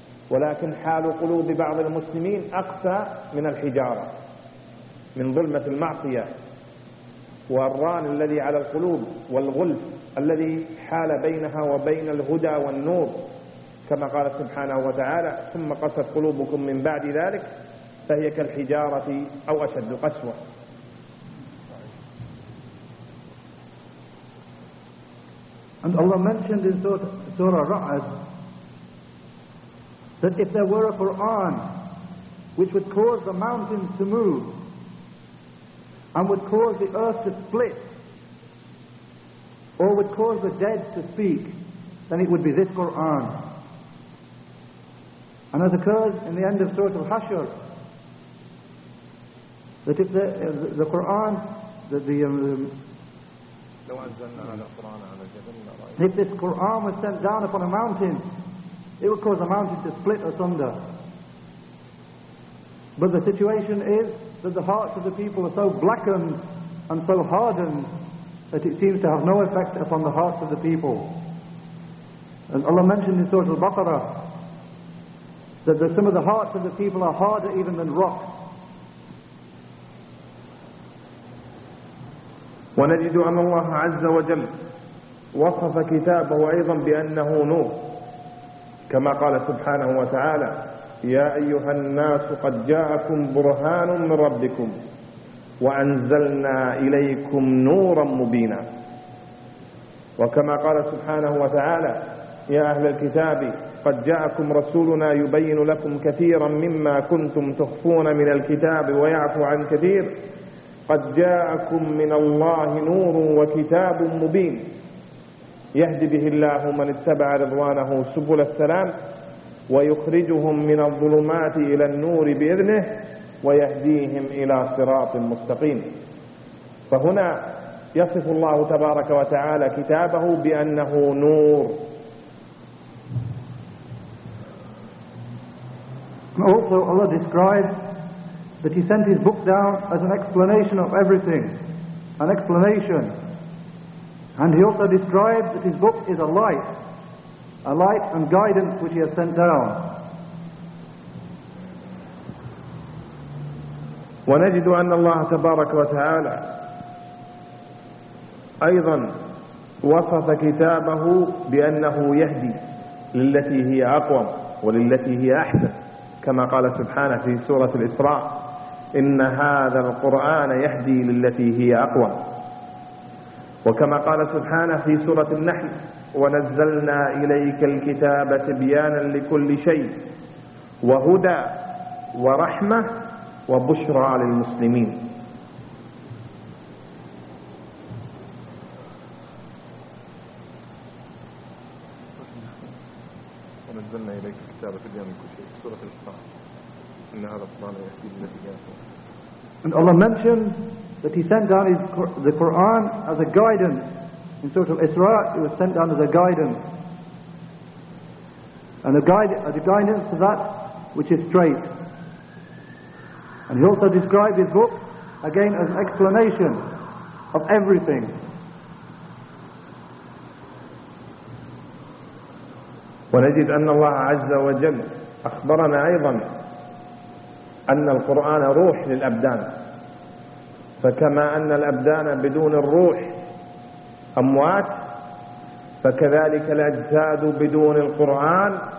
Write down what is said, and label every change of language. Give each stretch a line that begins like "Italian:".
Arabic: ولكن حال قلوب بعض المسلمين أقسى من الحجارة من ظلمة المعصية والران الذي على القلوب والغلف الذي حال بينها وبين الهدى والنور، كما قال سبحانه وتعالى: ثم قست قلوبكم من بعد ذلك فهي كالحجارة أو أشد قسوة.
English: And Allah mentioned in Surah Ra'd that if there were a Quran which would cause the mountains to move and would cause the earth to split, or would cause the dead to speak, then it would be this Qur'an. And as occurs in the end of Surah Al-Hashr, that if the Qur'an, that if this Qur'an was sent down upon a mountain, it would cause a mountain to split asunder. But the situation is that the hearts of the people are so blackened and so hardened that it seems to have no effect upon the hearts of the people. And Allah mentioned in Surah Al-Baqarah that some of the hearts of the people are harder even than rock.
Arabic: ونجد أن الله عز وجل وصف كتابه أيضا بأنه نور، كما قال سبحانه وتعالى: يا أيها الناس قد جاءكم برهان من ربكم وأنزلنا إليكم نورا مبينا. وكما قال سبحانه وتعالى: يا أهل الكتاب قد جاءكم رسولنا يبين لكم كثيرا مما كنتم تخفون من الكتاب ويعفو عن كثير، قد جاءكم من الله نور وكتاب مبين. يهدي به الله من اتبع رضوانه سبل السلام ويخرجهم من الظلمات إلى النور بإذنه ويهديهم إلى صراط مستقيم. فهنا يصف الله تبارك وتعالى كتابه بأنه نور.
English: Also Allah describes that He sent His book down as an explanation of everything, an explanation. And He also describes that His book is a light and guidance which He has sent down.
Arabic: ونجد أن الله تبارك وتعالى أيضا وصف كتابه بأنه يهدي للتي هي أقوم وللتي هي أحسن، كما قال سبحانه في سورة الإسراء: إن هذا القرآن يهدي للتي هي أقوم. وكما قال سبحانه في سورة النحل: ونزلنا إليك الكتاب تبيانا لكل شيء وهدى ورحمة وبشرى للمسلمين. ونزلنا إليك الكتاب تبيانا لكل شيء سورة الإسراء إن هذا القرآن يهدي للتي هي أقوم.
English: And Allah mentioned that He sent down the Qur'an as a guidance. In Surah Al-Isra, it was sent down as a guidance. And a guidance to that which is straight. And He also described His book, again, as an explanation of everything.
Arabic: ونجد أن الله عز وجل أخبرنا أيضا أن القرآن روح للأبدان، فكما أن الأبدان بدون الروح أموات، فكذلك الأجساد بدون القرآن